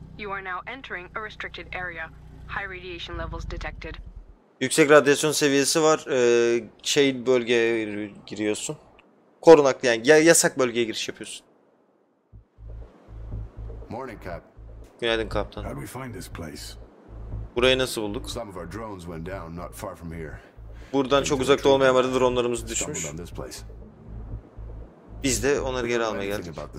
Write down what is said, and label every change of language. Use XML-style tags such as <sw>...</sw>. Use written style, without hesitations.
<en>You are now entering a restricted area. High radiation levels detected.</en> <tr>Yüksek radyasyon seviyesi var. Bölgeye giriyorsun. Korunaklı, yani yasak bölgeye giriş yapıyorsun.</tr> <en>Morning, Cap.</en> <tr>Günaydın kaptan.</tr> <en>How did we find this place?</en> <tr>Burayı nasıl bulduk?</tr> <en>Some of our drones went down not far from here.</en> <tr>Buradan çok uzakta olmayan yerde dronlarımız düşmüş. Biz de onları geri almaya geldik.</tr>